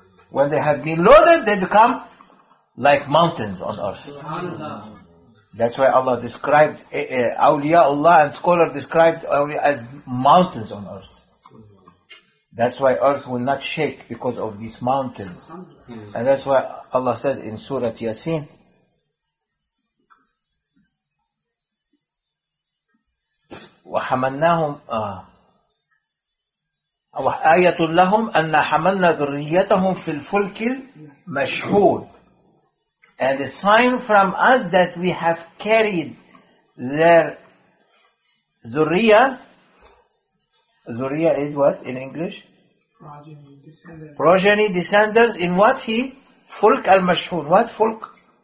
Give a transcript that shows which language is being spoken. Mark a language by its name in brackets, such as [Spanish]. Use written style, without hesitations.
[English] When they have been loaded, they become like mountains on earth. That's why Allah described awliyaullah, and scholar described awliya as mountains on earth. That's why earth will not shake because of these mountains. And that's why Allah said in Surah Yasin, [Arabic] وَحَمَلْنَاهُمْ آيَةٌ لَهُمْ أَنَّا حَمَلْنَا ذُرِّيَّتَهُمْ فِي الْفُلْكِ الْمَشْحُونَ. [English] And a sign from us that we have carried their Zuriya. Zuriya is what in English? Progeny, descendants. Progeny, descendants in what? He? Fulk al-Mashhoon. What? Fulk?